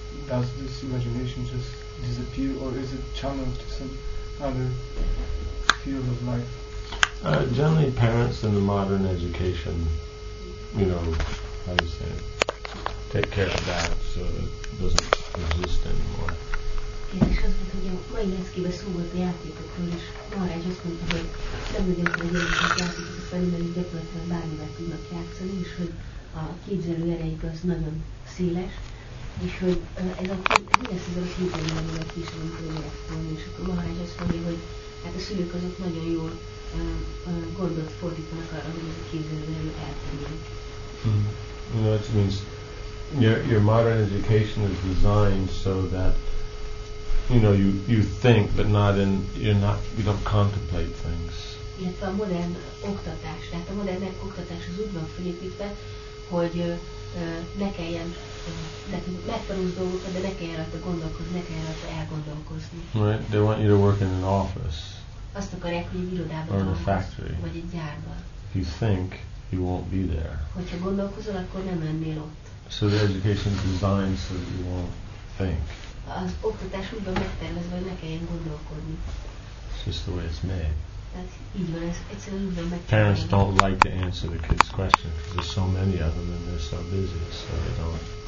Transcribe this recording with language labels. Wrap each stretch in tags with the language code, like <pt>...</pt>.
<en>Does this imagination just disappear, or is it channeled to some other field of life? Generally, parents in the modern education, you know, how do you say it, take care of that so it doesn't exist anymore.</en> <hu>Én is azt mondtam, hogy a mai leszkébe szó volt a játékokról, és Marágy azt mondta, hogy nem legyen, hogy a játékokat felül, mert gyakorlatilag bármivel tudnak játszani, és hogy a képzelő ereik az nagyon széles, és hogy ez a képzelő ereik a kisebb projektból, és akkor Marágy azt mondja, hogy hát a szülők azok nagyon jól gondot fordítanak arra, hogy a képzelő erő elterjedjen.</hu> <en>That means your modern education is designed so that you know, you think, but not in, you're not, you don't contemplate things.</en> <hu>Illetve a modern oktatás, tehát a modern oktatás az úgy van felépítve, hogy ne kelljen, tehát megtanulsz dolgokat, de ne kelljen rajta gondolkozni, ne kelljen rajta elgondolkozni.</hu> <en>Right, they want you to work in an office.</en> <hu>Azt akarják, hogy egy irodában dolgozz,</hu> <en>or in a factory.</en> <hu>Vagy egy gyárban.</hu> <en>If you think, you won't be there.</en> <hu>Hogyha gondolkozol, akkor nem lennél ott.</hu> <en>So the education is designed so that you won't think.</en> <hu>Az oktatás úgy van megtervezve, hogy ne kelljen gondolkodni.</hu> <en>It's just the way it's made.</en> <hu>Tehát így van, ez egyszerűen úgy van megtervezve.</hu> <en>Parents don't like to answer the kids' questions because there's so many of them and they're so busy, so they don't.</en>